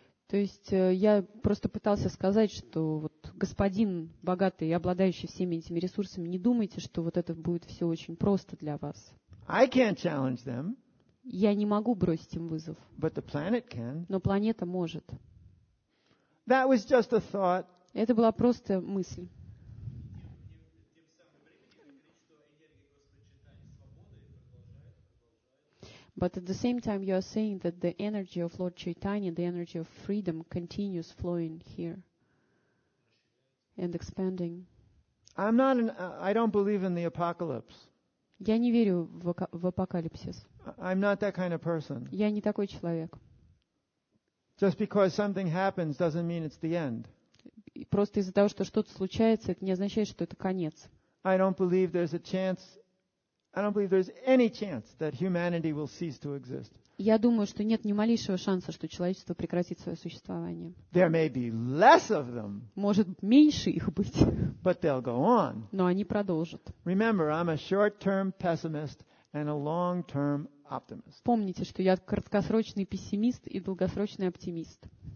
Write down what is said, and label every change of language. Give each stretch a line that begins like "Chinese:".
Russian: То есть я просто пытался сказать, что вот господин богатый, обладающий всеми этими ресурсами, не думайте, что вот это будет все очень просто для вас.
English: I can't challenge them.
Russian: Я не могу бросить им вызов.
English: But the planet can.
Russian: Но планета может.
English: That was just a thought.
Russian: Это была просто мысль.
English: But at the same time, you are saying that the energy of Lord Chaitanya, the energy of freedom, continues flowing here and expanding. I don't believe in the apocalypse.
Russian: Я не верю в апокалипсис.
English: I'm not that kind of person.
Russian: Я не такой человек.
English: Just because something happens doesn't mean it's the end.
Russian: Просто из-за того, что что-то случается, это не означает, что это конец.
English: I don't believe there's a chance. I don't believe there's any chance that humanity will cease to exist.
Russian: Я думаю, что нет ни малейшего шанса, что человечество прекратит свое существование.
English: There may be less of them.
Russian: Может меньше их быть.
English: But they'll go on.
Russian: Но они продолжат.
English: Remember, I'm a short-term pessimist and a long-term optimist.
Russian: Помните, что я краткосрочный пессимист и долгосрочный оптимист.